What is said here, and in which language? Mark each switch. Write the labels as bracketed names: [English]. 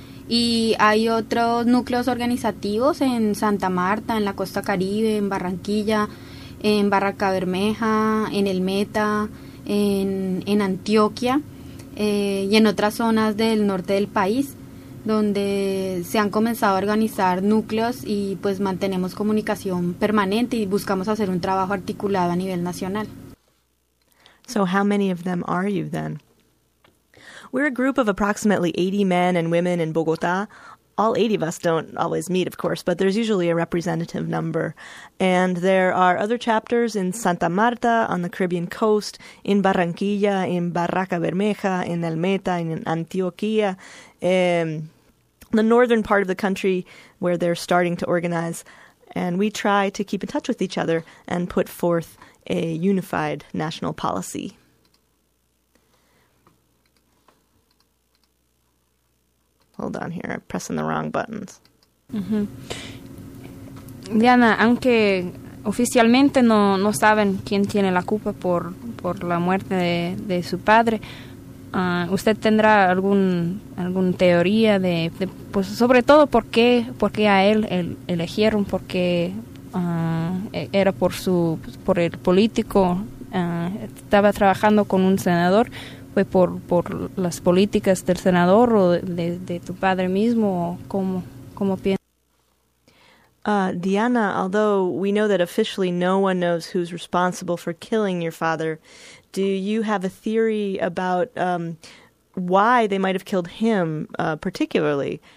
[Spanish] Y hay otros núcleos organizativos en Santa Marta, en la Costa Caribe, en Barranquilla, en Barranca Bermeja, en el Meta, en Antioquia y en otras zonas del norte del país, donde se han comenzado a organizar núcleos y pues mantenemos comunicación permanente y buscamos hacer un trabajo articulado a nivel nacional. [English] So how many of them are you then? We're a group of approximately 80 men and women in Bogotá. All 80 of us don't always meet, of course, but there's usually a representative number. And there are other chapters in Santa Marta, on the Caribbean coast, in Barranquilla, in Barranca Bermeja, in El Meta, in Antioquia, in the northern part of the country where they're starting to organize. And we try to keep in touch with each other and put forth a unified national policy. Hold on here, I'm pressing the wrong buttons. Mm-hmm. [Spanish] Diana, aunque oficialmente no saben quién tiene la culpa por la muerte de su padre, ¿usted tendrá algún teoría de pues sobre todo por qué a él elegieron, porque era por el político, estaba trabajando con un senador? ¿Fue por las políticas del senador o de tu padre mismo? ¿Cómo piensas? [English] Diana, although we know that officially no one knows who's responsible for killing your father, do you have a theory about why they might have killed him particularly?